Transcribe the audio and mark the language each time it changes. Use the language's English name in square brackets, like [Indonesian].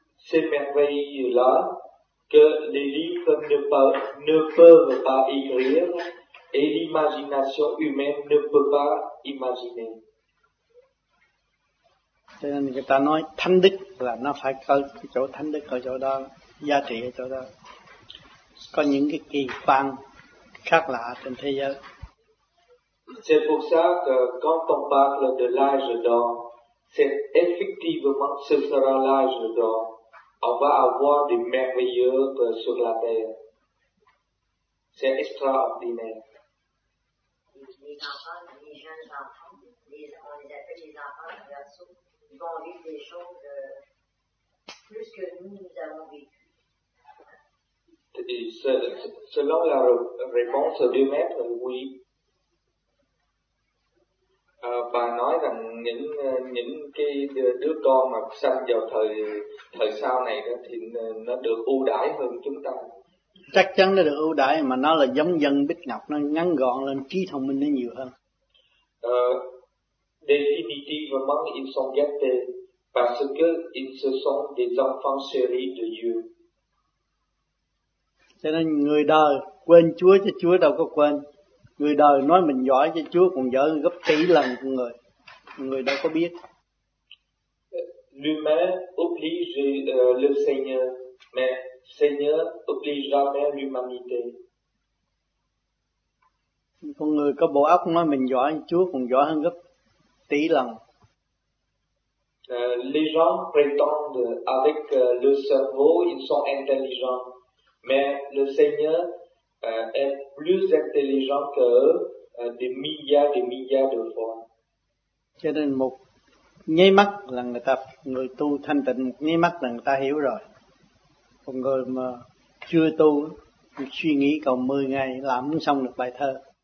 [French] Ces merveilles-là que les livres ne peuvent pas écrire et l'imagination humaine ne peut pas imaginer. [Vietnamese] Cho nên người ta nói thánh đức là nó phải có cái chỗ thánh đức ở chỗ đó, giá trị ở chỗ đó. Có những cái kỳ quan khác lạ trên thế giới. [French] C'est pour ça que quand on parle de l'âge d'or, c'est effectivement ce sera l'âge d'or. On va avoir des merveilleux sur la terre. C'est extraordinaire. Les enfants, les jeunes enfants, on les appelle les enfants du Verseau, ils vont vivre des choses plus que nous avons vécu. Selon la réponse du maître, oui. [Vietnamese] Bà nói rằng những cái đứa con mà sanh vào thời sau này đó thì nó được ưu đãi hơn chúng ta. Chắc chắn nó được ưu đãi mà nó là giống dân Bích Ngọc, nó ngắn gọn lên, trí thông minh nó nhiều hơn. [French] Définitivement, ils sont gâtés parce que ils sont des enfants chéris de Dieu. [Vietnamese] Cho nên người đời quên Chúa chứ Chúa đâu có quên. Người đời nói mình giỏi chứ Chúa còn dở gấp tỷ lần của người. Người đâu có biết. [French] L'humain oblige le Seigneur, mais Seigneur oblige jamais l'humanité. [Vietnamese] Con người có bộ óc nói mình giỏi, Chúa còn giỏi hơn gấp tỷ lần. [French] Les gens prétendent avec le cerveau ils sont intelligents, mais le Seigneur est plus intelligent que eux des milliards de fois. [Vietnamese] Cho nên một nháy mắt là người ta, người tu thanh tịnh một nháy mắt là người ta hiểu rồi. Còn người mà chưa tu suy nghĩ còn 10 ngày làm không xong được bài thơ.